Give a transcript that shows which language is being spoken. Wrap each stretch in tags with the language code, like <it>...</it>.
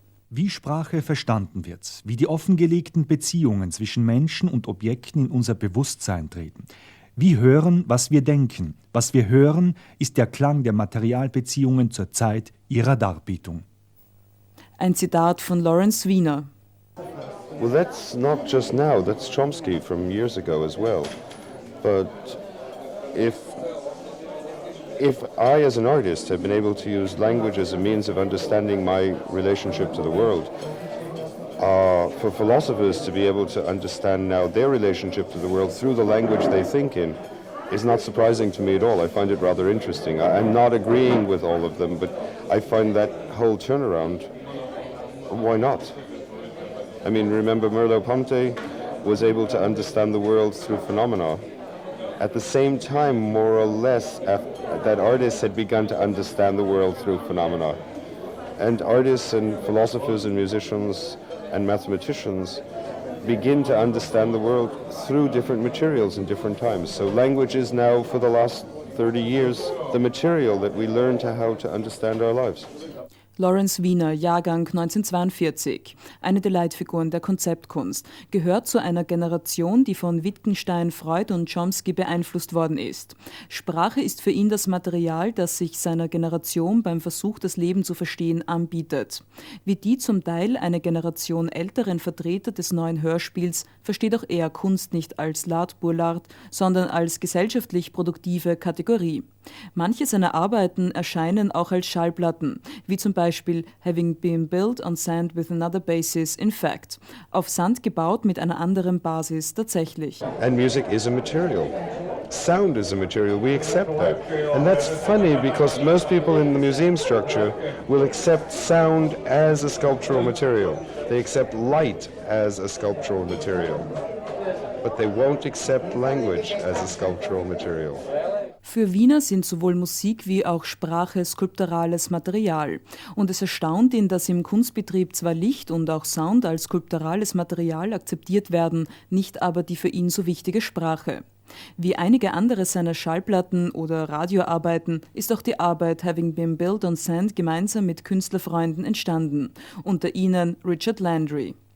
<de>Wie Sprache verstanden wird, wie die offengelegten Beziehungen zwischen Menschen und Objekten in unser Bewusstsein treten, wie hören, was wir denken, was wir hören, ist der Klang der Materialbeziehungen zur Zeit ihrer Darbietung. Ein Zitat von Lawrence Wiener.</de> <en>Well, that's not just now, that's Chomsky from years ago as well. But if I, as an artist, have been able to use language as a means of understanding my relationship to the world, for philosophers to be able to understand now their relationship to the world through the language they think in is not surprising to me at all. I find it rather interesting. I'm not agreeing with all of them, but I find that whole turnaround, why not? I mean, remember, Merleau-Ponty was able to understand the world through phenomena. At the same time, more or less, that artists had begun to understand the world through phenomena. And artists and philosophers and musicians and mathematicians begin to understand the world through different materials in different times. So language is now, for the last 30 years, the material that we learn to how to understand our lives.</en> <de>Lawrence Wiener, Jahrgang 1942, eine der Leitfiguren der Konzeptkunst, gehört zu einer Generation, die von Wittgenstein, Freud und Chomsky beeinflusst worden ist. Sprache ist für ihn das Material, das sich seiner Generation beim Versuch, das Leben zu verstehen, anbietet. Wie die zum Teil eine Generation älteren Vertreter des neuen Hörspiels, versteht auch er Kunst nicht als L'art pour l'art, sondern als gesellschaftlich produktive Kategorie. Manche seiner Arbeiten erscheinen auch als Schallplatten, wie zum Beispiel Having Been Built on Sand with Another Basis in Fact, auf Sand gebaut mit einer anderen Basis tatsächlich.</de> <en>And music is a material. Sound is a material. We accept that. And that's funny because most people in the museum structure will accept sound as a sculptural material. They accept light as a sculptural material. But they won't accept language as a sculptural material.</en> <de>Für Wiener sind sowohl Musik wie auch Sprache skulpturales Material. Und es erstaunt ihn, dass im Kunstbetrieb zwar Licht und auch Sound als skulpturales Material akzeptiert werden, nicht aber die für ihn so wichtige Sprache. Wie einige andere seiner Schallplatten oder Radioarbeiten ist auch die Arbeit Having Been Built on Sand gemeinsam mit Künstlerfreunden entstanden, unter ihnen Richard Landry.</de>